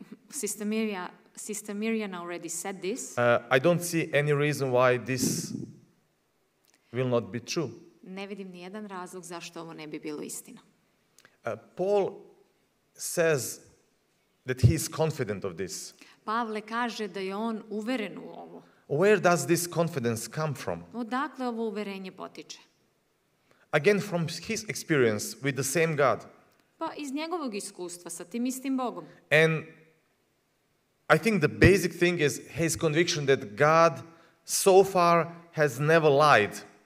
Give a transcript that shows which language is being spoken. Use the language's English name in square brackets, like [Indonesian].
[English] Sister Mirjana already said this. I don't see any reason why this will not be true. [Serbian] Ne vidim ni jedan razlog zašto ovo ne bi bilo istina. [English] Paul says that he is confident of this. [Serbian] Pavle kaže da je on uveren u ovo. [English] Where does this confidence come from? [Serbian] Odakle ovo uverenje potiče? [English] Again, from his experience with the same God. [Serbian] Pa iz njegovog iskustva sa tim istim Bogom. [English] And I think the basic thing is his conviction that God so far has never lied.